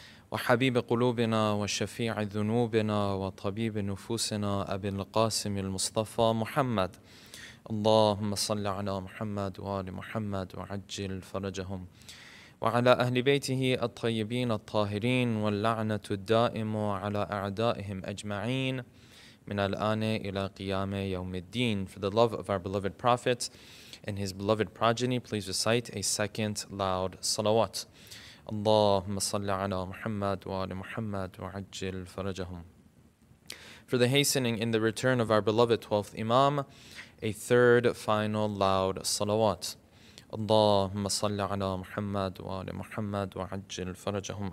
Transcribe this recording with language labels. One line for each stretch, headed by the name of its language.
Arabic: وحبيب قلوبنا وشفيع ذنوبنا وطبيب نفوسنا أبي القاسم المصطفى محمد اللهم صل على محمد وآل محمد وعجل فرجهم وعلى أهل بيته الطيبين الطاهرين واللعنة الدائمة على أعدائهم أجمعين من الآن إلى قيام يوم الدين.
English: For the love of our beloved Prophet and his beloved progeny, please recite a second loud salawat.
Arabic: اللهم صل على محمد وآل محمد وعجل فرجهم.
English: For the hastening in the return of our beloved 12th Imam, a third final loud salawat.
Arabic: اللهم صل على محمد وآل محمد وعجل فرجهم.